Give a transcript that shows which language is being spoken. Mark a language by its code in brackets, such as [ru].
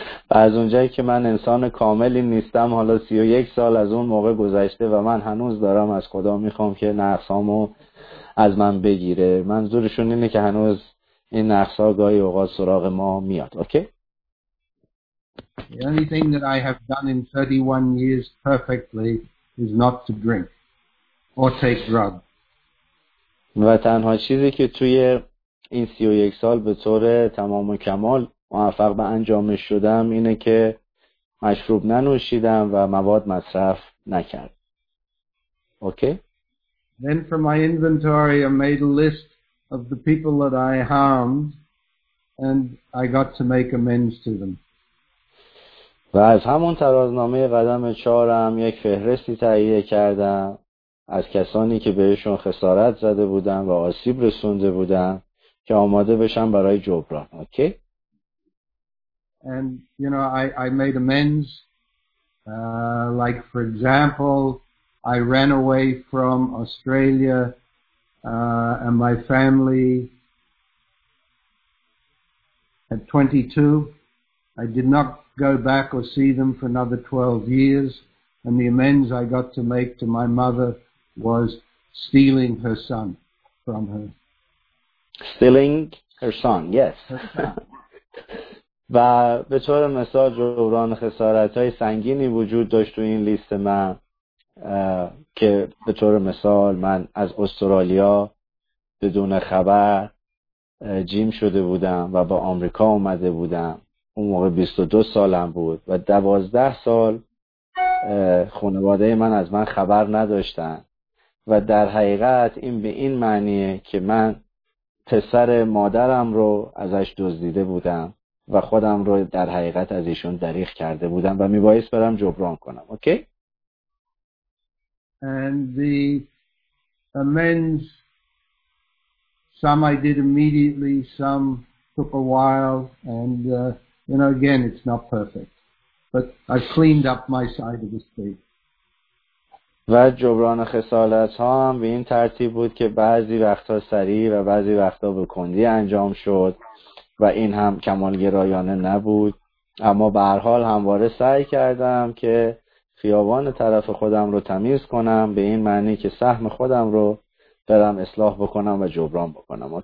[fa] از اونجایی که من انسان کاملی نیستم، حالا 31 سال از اون موقع گذشته و من هنوز دارم از خدا میخوام که نقصامو از من بگیره. منظورشون اینه که هنوز این نقصا گاهی اوقات سراغ ما میاد. اوکی. [en] The only thing that I have done in 31 years perfectly is not to drink or take drugs. [fa] و تنها چیزی که توی این 31 سال به طور تمام و کمال موفق به انجامش شدم اینه که مشروب ننوشیدم و مواد مصرف نکرد. اوکی. [en] Then from my inventory I made a list of the people that I harmed and I got to make amends to them. [fa] و از همون ترازنامه قدم 4 هم یک فهرستی تهیه کردم از کسانی که بهشون خسارت زده بودم و آسیب رسونده بودم که آماده بشم برای جبران. اوکی. [en] And you know, I made amends. Like for example, I ran away from Australia, and my family at 22. I did not go back or see them for another 12 years. And the amends I got to make to my mother was stealing her son from her. Stealing her son. Yes. [fa] و به طور مثال جبران خسارت‌های سنگینی وجود داشت تو این لیست من که به طور مثال من از استرالیا بدون خبر جیم شده بودم و به آمریکا اومده بودم. اون موقع 22 سالم بود و 12 سال خانواده من از من خبر نداشتن و در حقیقت این به این معنیه که من پسر مادرم رو ازش دزدیده بودم و خودم رو در حقیقت از ایشون دریغ کرده بودم و میبایست برم جبران کنم. اوکی. [en] And the amends, some I did immediately, some took a while, and you know, again, it's not perfect, but I've cleaned up my side of the street. [fa] و جبران خسارت ها هم به این ترتیب بود که بعضی وقتا سریع و بعضی وقتا به کندی انجام شد و این هم کمالگرایانه نبود، اما به هر حال همواره سعی کردم که خیابان طرف خودم رو تمیز کنم به این معنی که سهم خودم رو برم اصلاح بکنم و جبران بکنم.